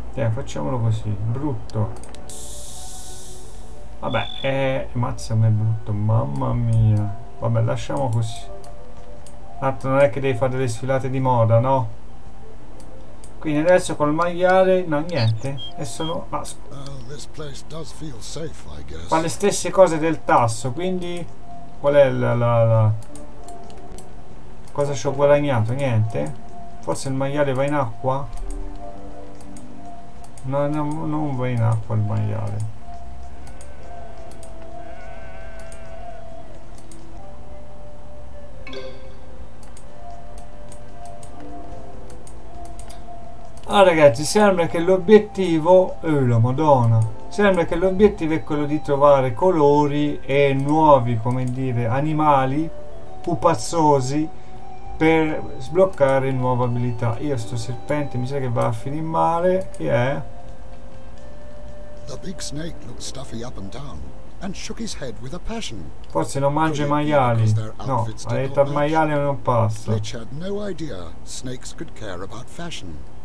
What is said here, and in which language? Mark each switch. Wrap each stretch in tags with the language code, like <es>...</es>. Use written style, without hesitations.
<it>Facciamolo così, brutto. Vabbè, mazza, ma è brutto, mamma mia. Vabbè, lasciamo così. Tanto non è che devi fare delle sfilate di moda, no? Quindi adesso col maiale, no, niente. E sono</it> <en>this place does feel safe, I guess.</en> <it>Fa le stesse cose del tasso, quindi qual è la cosa ci ho guadagnato? Niente? Forse il maiale va in acqua? No, non va in acqua il maiale. Ah, ragazzi, sembra che l'obiettivo, la Madonna, sembra che l'obiettivo è quello di trovare colori e nuovi, come dire, animali pupazzosi per sbloccare nuove abilità. Io sto serpente, mi sa che va a finire male. Chi è?</it> <en>The big snake looked Stuffy up and down and shook his head with a passion.</en> <it>Forse non mangia i maiali. No, ha detto il maiale non passa.</it> <en>Glitch had no idea snakes could care about fashion.</en>